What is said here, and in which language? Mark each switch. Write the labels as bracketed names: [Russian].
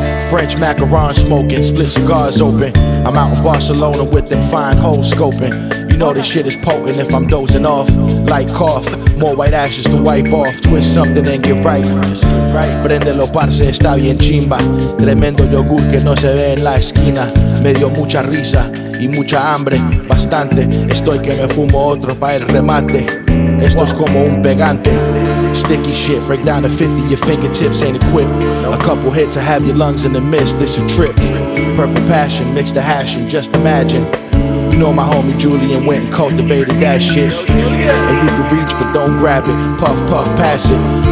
[English] French macaron smoking, split cigars open. I'm out in Barcelona with them fine hoes scoping. You know this shit is potent if I'm dozing off. Light cough, more white ashes to wipe off. Twist something and get right. [Spanish] Prendelo parce, está bien chimba. Tremendo yogur que no se ve en la esquina. Me dio mucha risa y mucha hambre, bastante. Estoy que me fumo otro pa' el remate. Esto es como un pegante. [English] Sticky shit, break down to 50, your fingertips ain't equipped. A couple hits, I have your lungs in the mist, this a trip. Purple passion, mix the hash and just imagine. You know my homie Julian went and cultivated that shit. And you can reach but don't grab it, puff puff pass it.